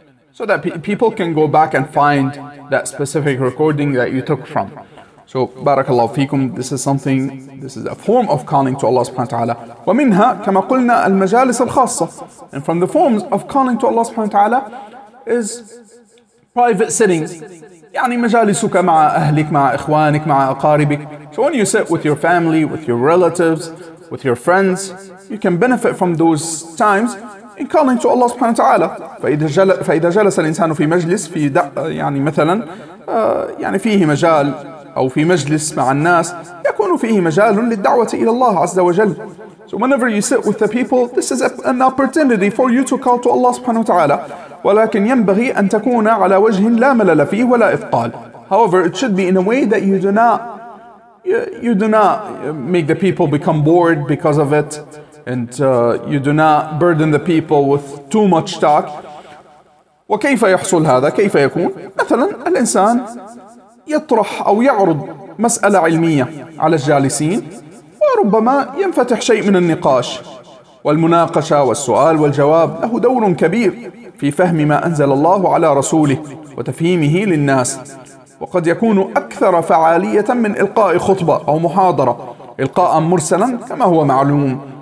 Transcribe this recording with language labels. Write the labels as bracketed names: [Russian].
[English] So that people can go back and find that specific recording that you took from. So, barakallahu feekum, this is a form of calling to Allah subhanahu wa ta'ala. [Arabic] وَمِنْهَا كَمَا قُلْنَا الْمَجَالِسَ الْخَاصَّةِ. [English] And from the forms of calling to Allah subhanahu wa ta'ala is private sittings. [Arabic] يعني مجالسك مع أهلك، مع إخوانك، مع أقاربك. [English] So when you sit with your family, with your relatives, with your friends, you can benefit from those times in calling to Allah subhanahu wa ta'ala. [Arabic] فإذا جلس الإنسان في مجلس في يعني مثلا يعني فيه مجال أو في مجلس مع الناس، يكون فيه مجال للدعوة إلى الله عز وجل. [English] So whenever you sit with the people, this is an opportunity for you to call to Allah subhanahu wa ta'ala. [Arabic] ولكن ينبغي أن تكون على وجه لا ملل فيه ولا إثقال. [English] However, it should be in a way that you do not make the people become bored because of it, and you do not burden the people with too much talk. [Arabic] وكيف يحصل هذا؟ كيف يكون؟ مثلا الإنسان يطرح أو يعرض مسألة علمية على الجالسين، وربما ينفتح شيء من النقاش والمناقشة، والسؤال والجواب له دور كبير في فهم ما أنزل الله على رسوله وتفهيمه للناس، وقد يكون أكثر فعالية من إلقاء خطبة أو محاضرة إلقاء مرسلا كما هو معلوم.